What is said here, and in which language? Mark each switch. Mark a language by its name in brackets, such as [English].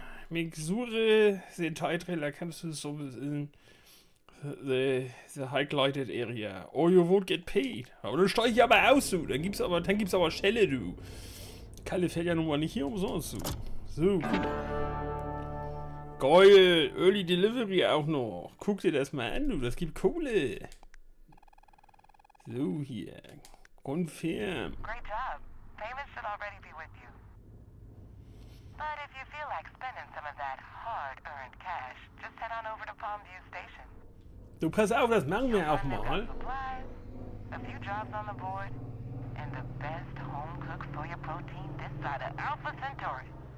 [English] Make sure the entire trailer comes to the surface in the high lighted area. Or you won't get paid. [German] Aber dann steige ich aber aus, du. Dann gibt's aber Schelle, du. Kalle fällt ja nun mal nicht hier umsonst, du. So. Geil, Early Delivery auch noch. Guck dir das mal an, du, das gibt Kohle. So hier. Confirm. [English] Great job. Payments should already be with you. But if you feel like spending some of that hard-earned cash, just head on over to Palmview Station. [German] Du, pass auf, das machen wir auch mal. [English] A few jobs on the board and the best home cook for your protein this side of Alpha Centauri.